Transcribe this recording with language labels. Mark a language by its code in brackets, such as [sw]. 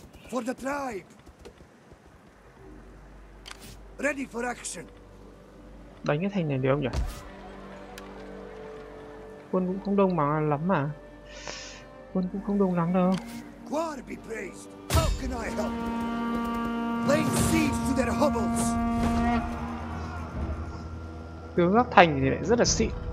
[en] For the tribe. Ready for action. [vi] Đánh cái thành này được không nhỉ? Quân cũng không đông mà lắm mà. Quân cũng không đông lắm đâu. [en] God be praised. How can I help? Lay siege to their hovels. [vi] Tướng gác thành thì lại rất là xịn.